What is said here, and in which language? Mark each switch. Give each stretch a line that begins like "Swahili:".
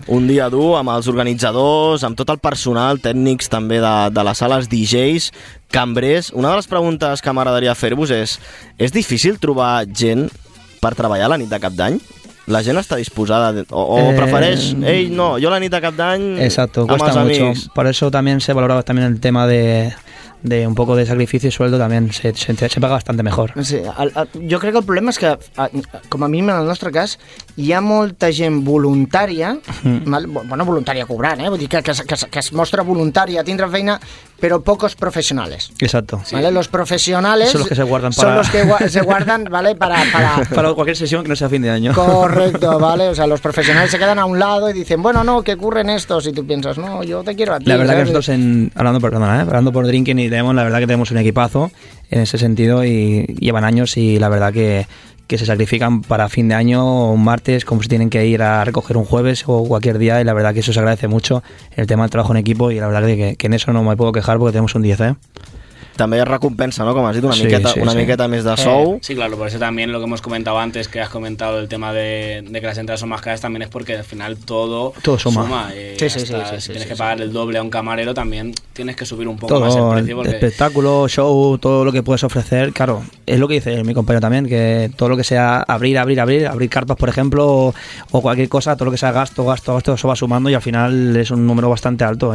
Catalan: Un dia dur amb els organitzadors, amb tot el personal, tècnics també de les sales, DJs, cambrers. Una de les preguntes que m'agradaria fer-vos és difícil trobar gent per treballar la nit de Cap d'Any? La gent està disposada o prefereix, ei, no, jo la nit de Cap d'Any.
Spanish: Exacto, cuesta mucho. Por eso también se valora también el tema de un poco de sacrificio y sueldo también, se paga bastante mejor.
Catalan: Sí, jo crec que el problema és que, com a mínim en el nostre cas, hi ha molta gent voluntària, bueno, voluntària cobrant, vull dir que es mostra voluntària a tindre feina, però pocos professionals.
Spanish: Exacto. ¿Vale? Sí. Los profesionales son los que se guardan, para... los que se guardan, ¿vale? para cualquier sesión que no sea fin de año. Correcto, ¿vale? O sea, los profesionales se quedan a un lado y dicen, bueno, no, ¿qué ocurren estos? Y tú piensas, no, yo te quiero a ti. La verdad, ¿sabes? Que nosotros, hablando por drinking, y tenemos, la verdad que tenemos un equipazo en ese sentido y llevan años y la verdad que se sacrifican para fin de año o un martes, como si tienen que ir a recoger un jueves o cualquier día, y la verdad que eso se agradece mucho, el tema del trabajo en equipo, y la verdad que en eso no me puedo quejar porque tenemos un 10, ¿eh?
Catalan: També es recompensa, no? Com has dit, una miqueta més de sou.
Spanish: Sí, claro, por eso también lo que hemos comentado antes, que has comentado el tema de que las entradas son más caras, también es porque al final todo suma. Sí, tienes que pagar el doble a un camarero, también tienes que subir un poco todo, más el precio. Porque... espectáculo, show, todo lo que puedes ofrecer, claro, es lo que dice mi compañero también, que todo lo que sea abrir cartas, por ejemplo, o cualquier cosa, todo lo que sea gasto, eso va sumando y al final es un número bastante alto.